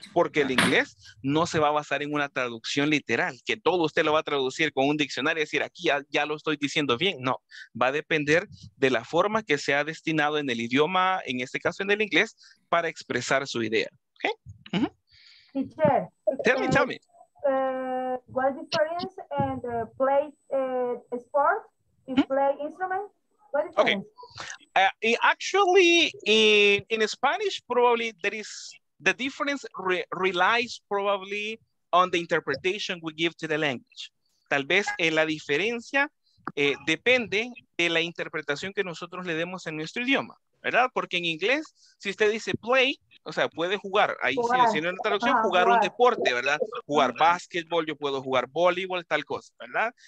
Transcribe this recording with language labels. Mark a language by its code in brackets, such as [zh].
[es] Porque el inglés no se va a basar en una traducción literal, que todo usted lo va a traducir con un diccionario y decir, aquí ya, ya lo estoy diciendo bien. No, va a depender de la forma que se ha destinado en el idioma, en este caso en el inglés, para expresar su idea. ¿Okay? [en] Uh-huh. Tell me, tell me. What difference and play sport you play instrument? What difference? Okay. Actually, in Spanish, probably there is the difference relies probably on the interpretation we give to the language. [es] Tal vez la diferencia depende de la interpretación que nosotros le demos en nuestro idioma, ¿verdad? Porque en inglés, si usted dice play, o sea, puede jugar, ahí sí, si no en la traducción, ajá, jugar un deporte, ¿verdad? Jugar básquetbol, yo puedo jugar voleibol, tal cosa, ¿verdad?